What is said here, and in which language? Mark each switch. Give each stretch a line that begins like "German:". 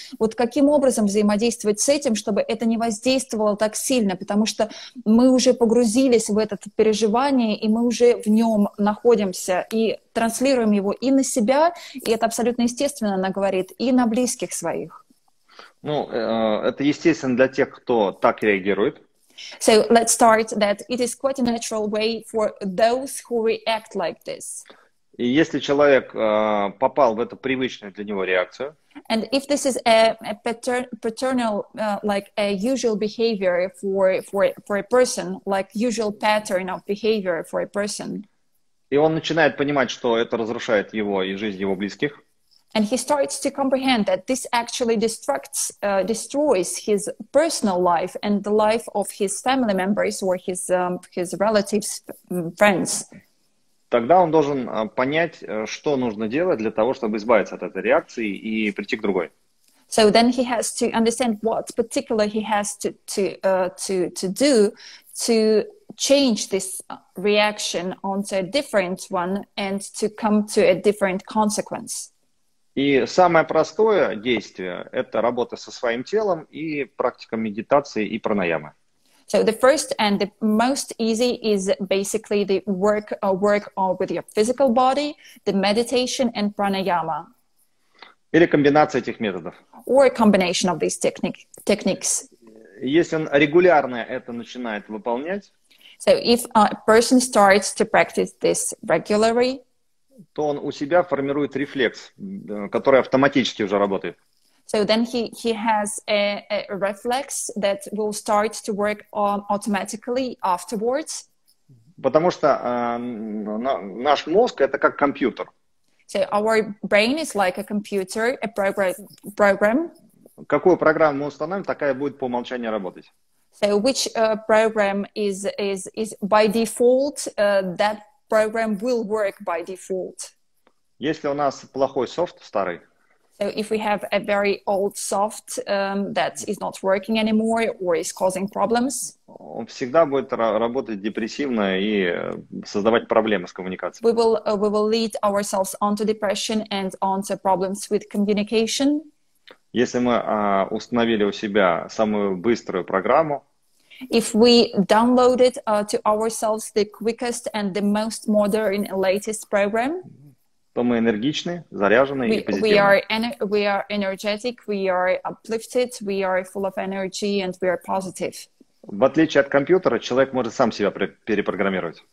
Russian: Вот каким образом взаимодействовать с этим, чтобы это не воздействовало так сильно, потому что мы уже погрузились в это переживание, и мы уже в нем находимся, и транслируем его и на себя, и это абсолютно естественно, она говорит, и на близких своих. Ну, это естественно для тех, кто так реагирует.
English: So let's start that it is quite a natural way for those who react like this.
Russian: И если человек попал в эту привычную для него реакцию,
English: and if this is a paternal like a usual behavior for a person, like usual pattern of behavior for a person.
Russian: И он начинает понимать, что это разрушает его и жизнь его близких.
English: And he starts to comprehend that this actually destroys his personal life and the life of his family members or his relatives, friends.
Russian: Тогда он должен понять, что нужно делать для того, чтобы избавиться от этой реакции и прийти к другой.
English: So then he has to understand what particular he has to do to change this reaction onto a different one and to come to a different consequence.
Russian: И самое простое действие – это работа со своим телом и практика медитации и пранаямы.
English: So the first and the most easy is basically the work with your physical body, the meditation and pranayama.
Russian: Или комбинация этих методов.
English: Or a combination of these techniques.
Russian: Если он регулярно это начинает выполнять,
English: so if a person starts to practice this regularly,
Russian: то он у себя формирует рефлекс, который автоматически уже работает.
English: So then he has a reflex that will start to work on automatically afterwards.
Russian: Потому что наш мозг это как компьютер.
English: So our brain is like a computer, a program.
Russian: Какую программу мы установим, такая будет по умолчанию работать.
English: So which program is by default that program will work by default.
Russian: Если у нас плохой софт, старый.
English: So if we have a very old soft that is not working anymore or is causing problems,
Russian: он всегда будет работать депрессивно и создавать проблемы с коммуникацией.
English: We will lead ourselves onto depression and onto problems with communication.
Russian: Если мы установили у себя самую быструю программу,
English: if we downloaded to ourselves the quickest and the most modern and latest program,
Russian: то мы энергичны, заряжены и позитивны.
English: We are energetic, we are uplifted, we are full of energy and we are positive.
Russian: В отличие от компьютера, человек может сам себя перепрограммировать.